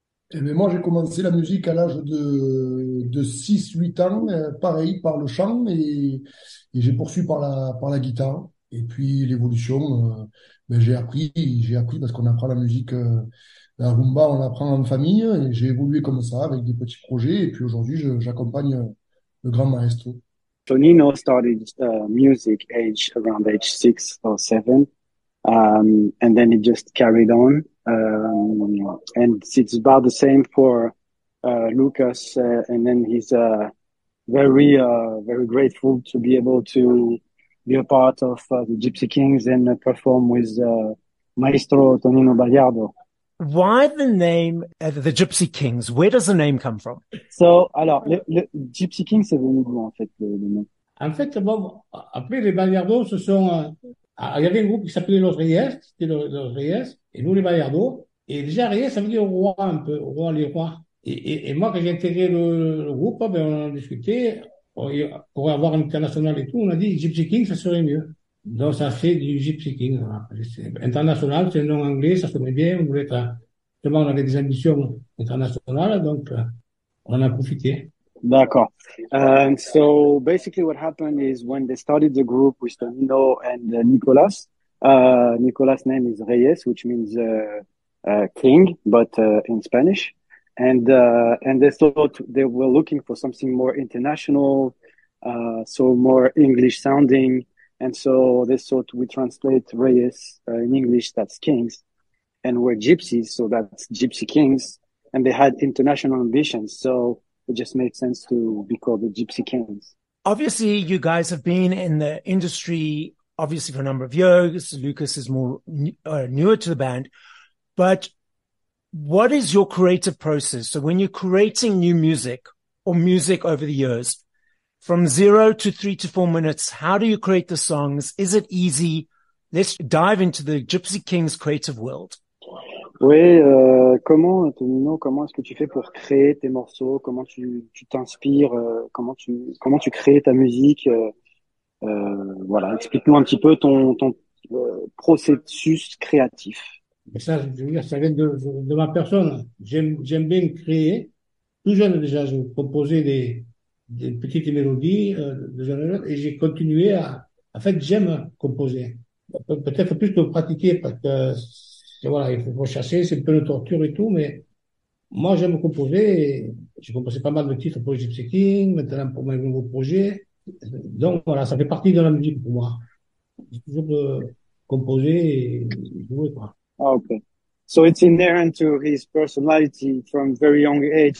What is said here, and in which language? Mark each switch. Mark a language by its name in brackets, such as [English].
[French] Eh bien, moi, j'ai commencé la musique à l'âge de 6-8 ans, pareil, par le chant et j'ai poursuivi par la guitare. Et puis, l'évolution, j'ai appris parce qu'on apprend la musique. La rumba, on l'apprend en famille. Et j'ai évolué comme ça avec des petits projets. Et puis aujourd'hui, j'accompagne le grand maestro. [English] Tonino started music age around age 6 or 7, and then it just carried on. And it's about the same for Lucas. And then he's very grateful to be able to be a part of the Gypsy Kings and perform with maestro Tonino Baliardo. Why the name the Gypsy Kings? Where does the name come from? [French] So, alors, le Gypsy Kings, c'est venu de où, en fait, le nom? En fait, bon, après, les Baliardo, ce sont... il y avait un groupe qui s'appelait Los Reyes, c'était Los Reyes, et nous, les Baliardo. Et déjà, Reyes, ça veut dire roi, un peu, roi, les rois. Et moi, quand j'ai intégré le groupe, ben, on a discuté, pour avoir un international et tout, on a dit Gypsy Kings, ça serait mieux. Donc, ça fait du Gypsy King. International, c'est un nom anglais, ça sonnait bien. On voulait être. Justement, on avait des ambitions internationales, donc on en a profité. D'accord. [English] So, basically, what happened is when they started the group with Tonino and Nicolas, Nicolas' name is Reyes, which means king, but in Spanish. And they thought they were looking for something more international, so more English sounding. And so they thought we translate Reyes in English, that's kings, and we're gypsies, so that's Gypsy Kings. And they had international ambitions, so it just made sense to be called the Gypsy Kings. Obviously, you guys have been in the industry, obviously, for a number of years. Lucas is more newer to the band. But what is your creative process? So when you're creating new music or music over the years, from 0 to 3 to 4 minutes, how do you create the songs? Is it easy? Let's dive into the Gypsy Kings creative world. [French] Oui, comment, Tonino, comment est-ce que tu fais pour créer tes morceaux? Comment tu t'inspires? Comment tu crées ta musique? Voilà, explique-nous un petit peu ton processus créatif. Mais ça, je veux dire, ça vient de ma personne. J'aime bien créer. Tout jeune déjà, je composais des petites mélodies, et j'ai continué à. En fait, j'aime composer. Peut-être plus que pratiquer, parce que voilà, il faut chasser, c'est un peu de torture et tout, mais moi j'aime composer. J'ai composé pas mal de titres pour Gypsy King, maintenant pour mes nouveaux projets. Donc voilà, ça fait partie de la musique pour moi. J'ai toujours composé et jouer, quoi. Ah, ok. [English] So it's inherent to his personality from very young age.